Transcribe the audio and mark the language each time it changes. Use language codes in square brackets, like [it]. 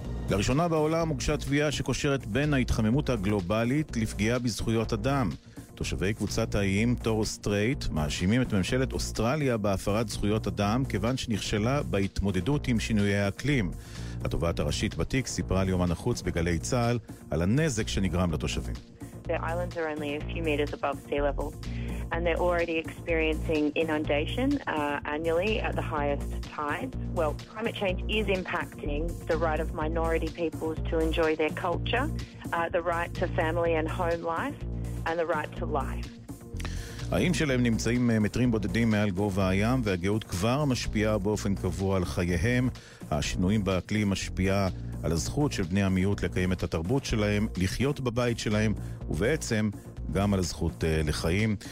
[he] לראשונה בעולם הוגשה תביעה שקושרת בין ההתחממות הגלובלית לפגיעה בזכויות אדם. תושבי קבוצת האיים טורס סטרייט מאשימים את ממשלת אוסטרליה בהפרת זכויות אדם, כיוון שנכשלה בהתמודדות עם שינויי האקלים. התובעת הראשית בתיק סיפרה ליומן החוץ בגלי צהל על הנזק שנגרם לתושבים. [en] The islands are only a few meters above sea level and they're already experiencing inundation annually at the highest tides. Well, climate change is impacting the right of minority peoples to enjoy their culture, the right to family and home life and the right to life. [he] האיים שלהם נמצאים מטרים בודדים מעל גובה הים, והגאות כבר משפיעה באופן קבוע על חייהם. השינויים באקלים משפיעה על הזכות של בני המיעוט לקיים את התרבות שלהם, לחיות בבית שלהם, ובעצם גם על הזכות לחיים.